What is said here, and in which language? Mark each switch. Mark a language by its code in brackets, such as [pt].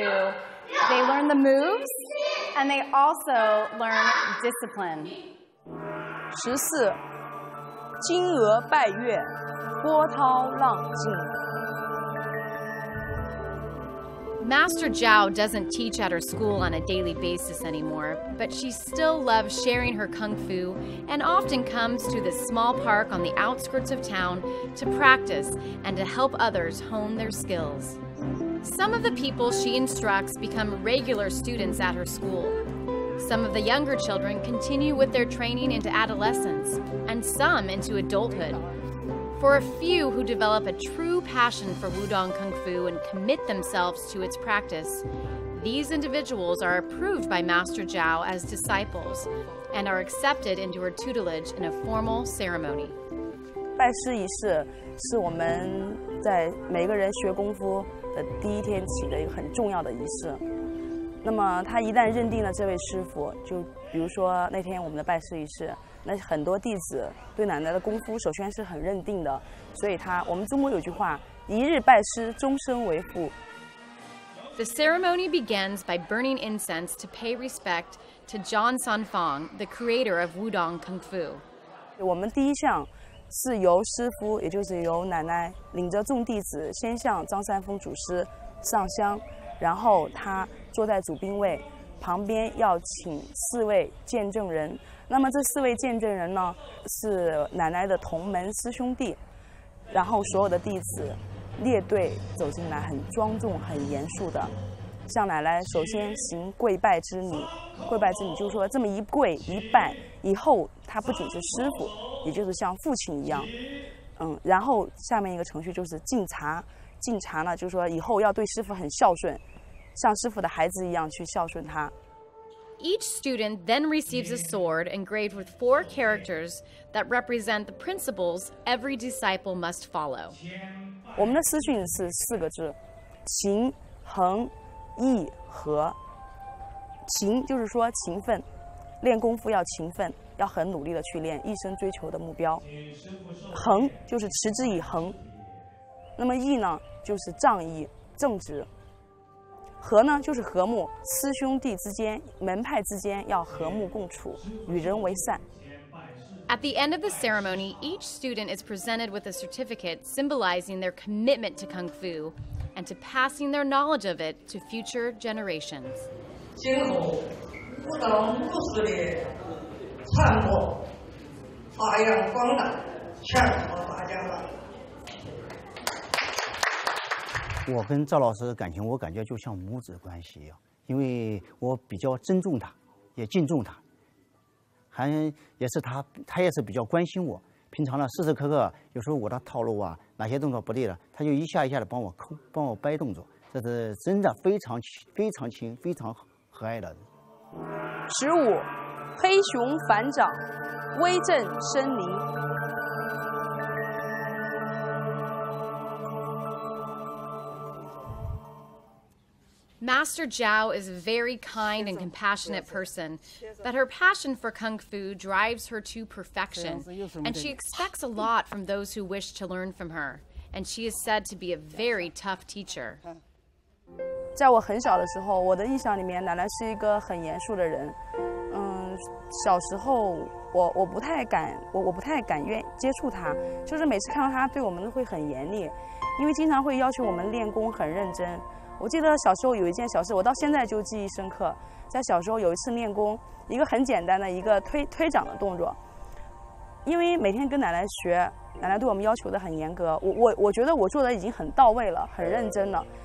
[en] They learn the moves, and they also learn discipline. [zh] 十四，金娥拜月，波涛浪静。 [en] Master Zhao doesn't teach at her school on a daily basis anymore, but she still loves sharing her kung fu and often comes to this small park on the outskirts of town to practice and to help others hone their skills. Some of the people she instructs become regular students at her school. Some of the younger children continue with their training into adolescence and some into adulthood. For a few who develop a true passion for Wudang Kung Fu and commit themselves to its practice, these individuals are approved by Master Zhao as disciples and are accepted into her tutelage in a formal ceremony. [zh] 拜师仪式是我们在每个人学功夫的第一天起的一个很重要的仪式。那么他一旦认定了这位师父，就比如说那天我们的拜师仪式，那很多弟子对奶奶的功夫首先是很认定的，所以我们中国有句话，一日拜师，终身为父。 [en] The ceremony begins by burning incense to pay respect to John San Fong, the creator of Wudang Kung Fu. [zh] 我们第一项是由师父，也就是由奶奶领着众弟子先向张三丰祖师上香，然后他坐在主宾位，旁边要请四位见证人。那么这四位见证人呢，是奶奶的同门师兄弟，然后所有的弟子列队走进来，很庄重、很严肃的向奶奶首先行跪拜之礼。跪拜之礼就是说，这么一跪一拜以后，他不仅是师父，也就是像父亲一样。然后下面一个程序就是敬茶，敬茶呢就是说以后要对师父很孝顺，像师父的孩子一样去孝顺他。 [en] Each student then receives a sword engraved with four characters that represent the principles every disciple must follow. [zh] 我们的师训是四个字，勤、恒、毅、和。勤就是说勤奋，练功夫要勤奋，要很努力的去练，一生追求的目标。恒就是持之以恒。那么毅呢，就是仗义、正直。和呢，就是和睦，师兄弟之间、门派之间要和睦共处，与人为善。 [en] At the end of the ceremony, each student is presented with a certificate symbolizing their commitment to Kung Fu and to passing their knowledge of it to future generations. [zh] 今后武当武师的传播发扬光大，全国大家吧。我跟赵老师感情，我感觉就像母子关系一样，因为我比较尊重他，也敬重他，还也是他也是比较关心我。平常呢，时时刻刻，有时候我的套路啊，哪些动作不对了，他就一下一下的帮我抠，帮我掰动作，这是真的非常非常亲、非常和蔼的。十五，黑熊反掌，威震森林。 [en] Master Zhao is a very kind and compassionate person, but her passion for kung fu drives her to perfection, and she expects a lot from those who wish to learn from her, and she is said to be a very tough teacher. [zh] 在我很小的时候，我的印象里面，奶奶是一个很严肃的人。小时候我不太敢接触她，就是每次看到她对我们都会很严厉，因为经常会要求我们练功很认真。我记得小时候有一件小事，我到现在就记忆深刻。在小时候有一次练功，一个很简单的一个推掌的动作，因为每天跟奶奶学，奶奶对我们要求的很严格，我觉得我做的已经很到位了，很认真了。